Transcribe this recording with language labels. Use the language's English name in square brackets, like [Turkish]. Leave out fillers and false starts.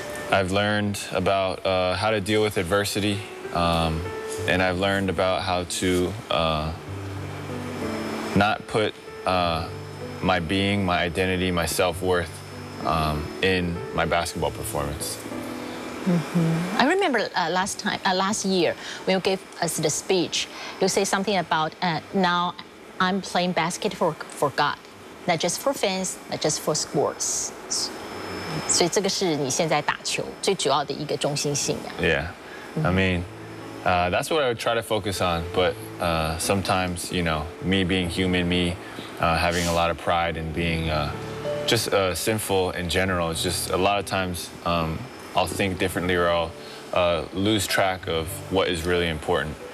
[English] I've learned about how to deal with adversity, and I've learned about how to not put my being, my identity, my self-worth in my basketball performance. Mm-hmm. I remember last year when you gave us the speech, you say something about now I'm playing basket for God, not just for fans, not just for sports. [Chinese] 所以这个是你现在打球最主要的一个中心信仰。 [English] Yeah, I mean, that's what I would try to focus on. But sometimes, me being human, me having a lot of pride and being just sinful in general. It's just a lot of times I'll think differently or I'll lose track of what is really important.